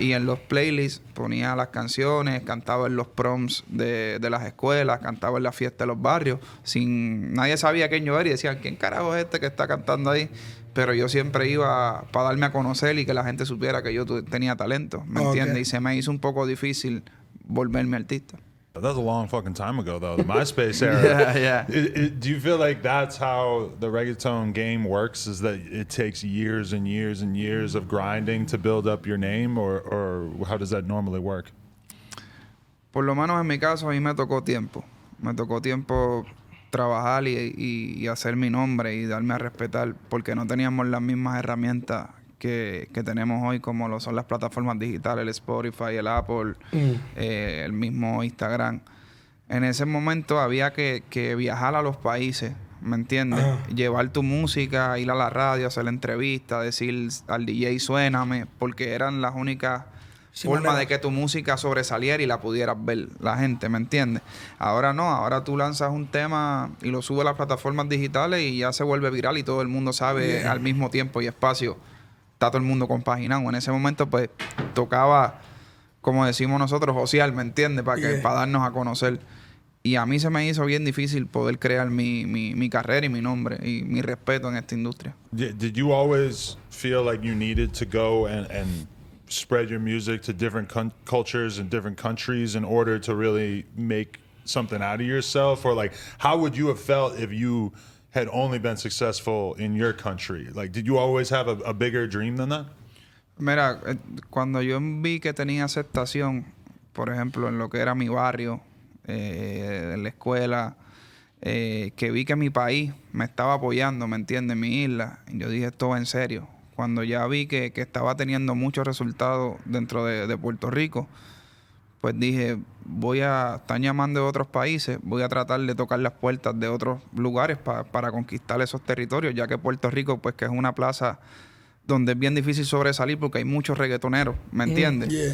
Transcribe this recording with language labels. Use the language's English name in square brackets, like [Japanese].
[Spanish] Y en los playlists ponía las canciones, cantaba en los proms de las escuelas, cantaba en las fiestas de los barrios. Nadie sabía quién yo era y decían, ¿quién carajo es este que está cantando ahí? Pero yo siempre iba para darme a conocer y que la gente supiera que yo tenía talento, ¿me entiendes? Y se me hizo un poco difícil volverme artista. [English] But that was a long fucking time ago, though, the MySpace era. Yeah. Do you feel like that's how the reggaeton game works, is that it takes years and years and years of grinding to build up your name, or how does that normally work? [Spanish] Por lo menos en mi caso, a mí me tocó tiempo. Me tocó tiempo trabajar y hacer mi nombre y darme a respetar, porque no teníamos las mismas herramientas que tenemos hoy, como lo son las plataformas digitales, el Spotify, el Apple, el mismo Instagram. en ese momento había que viajar a los países, ¿me entiendes? Llevar tu música, ir a la radio, hacer la entrevista, decir al DJ suéname, porque eran las únicas formas de que tu música sobresaliera y la pudieras ver la gente, ¿me entiendes? Ahora no, ahora tú lanzas un tema y lo subes a las plataformas digitales y ya se vuelve viral y todo el mundo sabe al mismo tiempo y espacio. Está todo el mundo compaginado. En ese momento, pues, tocaba, como decimos nosotros, social, ¿me entiendes? Para que para darnos a conocer. Y a mí se me hizo bien difícil poder crear mi carrera y mi nombre y mi respeto en esta industria. [English] Did you always feel like you needed to go and spread your music to different cultures and different countries in order to really make something out of yourself? Or, like, how would you have felt if you had only been successful in your country? Like, did you always have a bigger dream than that? [Spanish] Mira, cuando yo vi que tenía aceptación, por ejemplo, en lo que era mi barrio, en la escuela, que vi que mi país me estaba apoyando, ¿me entiendes? Mi isla. Yo dije, esto va en serio. Cuando ya vi que estaba teniendo muchos resultados dentro de Puerto Rico, pues dije, están llamando de otros países, voy a tratar de tocar las puertas de otros lugares para conquistar esos territorios, ya que Puerto Rico, pues que es una plaza donde es bien difícil sobresalir porque hay muchos reggaetoneros, ¿me entiendes?